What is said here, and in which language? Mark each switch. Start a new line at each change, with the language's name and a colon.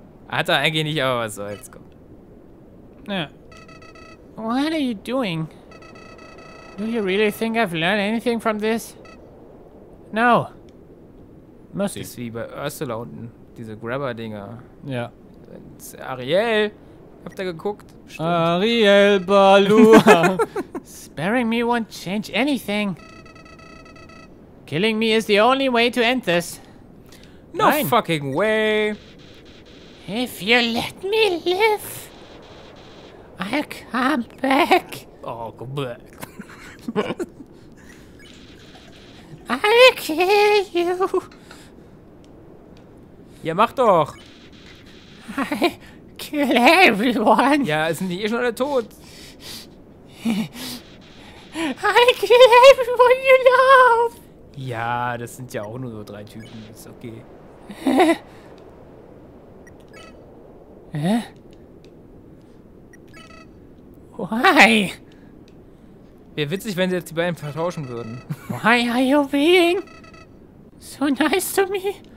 German: Hat er eigentlich nicht, aber was soll's, kommt.
English: Ja. What are you doing? Do you really think I've learned anything from this? No. Mercy.
German: Das ist wie bei Ursula unten, diese Grabber-Dinger. Ja. Und Ariel. Habt ihr geguckt? Stimmt. Ariel Balua.
English: Sparing me won't change anything. Killing me is the only way to end this. No
German: Nein.
English: fucking way. If you let me live, I'll come back. I'll come back. I'll kill you.
German: Ja, mach doch.
English: I kill everyone.
German: Ja, sind die eh schon alle tot.
English: I kill everyone you love.
German: Ja, das sind ja auch nur so drei Typen. Ist okay.
English: Why?
German: Wäre witzig, wenn sie jetzt die beiden vertauschen würden.
English: Why are you being so nice to me?